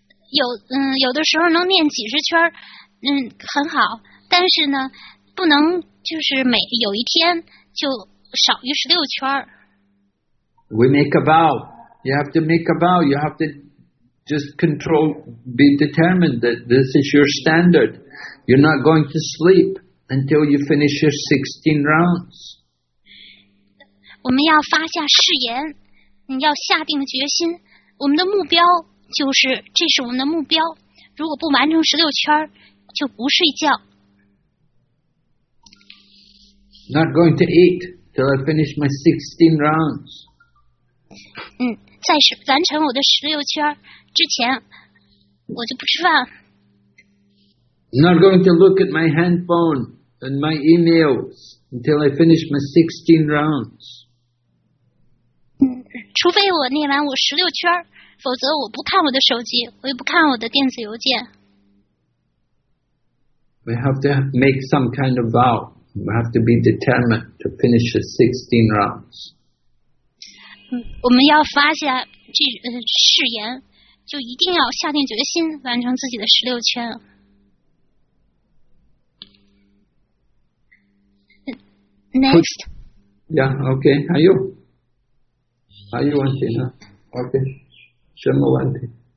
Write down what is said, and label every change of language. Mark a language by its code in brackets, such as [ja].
[zh] 有的时候能念几十圈，很好。但是呢，不能就是每有一天就少于十六圈。 [en] We make a vow. You have to make a vow. You have to just control, be determined that this is your standard. You're not going to sleep until you finish your 16 rounds. [zh] 我们要发下誓言，你要下定决心。我们的目标就是，这是我们的目标。如果不完成16圈，就不睡觉。 [en] Not going to eat till I finish my 16 rounds. [zh] 在完成我的16圈之前，我就不吃饭。 [en] Not going to look at my handphone and my emails until I finish my 16 rounds. [zh] 除非我念完我十六圈，否则我不看我的手机，我也不看我的电子邮件。 [en] We have to make some kind of vow. We have to be determined to finish the 16 rounds. [zh] 我们要发下这誓言，就一定要下定决心完成自己的十六圈。 [en] Next. Yeah, okay. Are you? Are you wanting? Okay. [zh] 什么问题？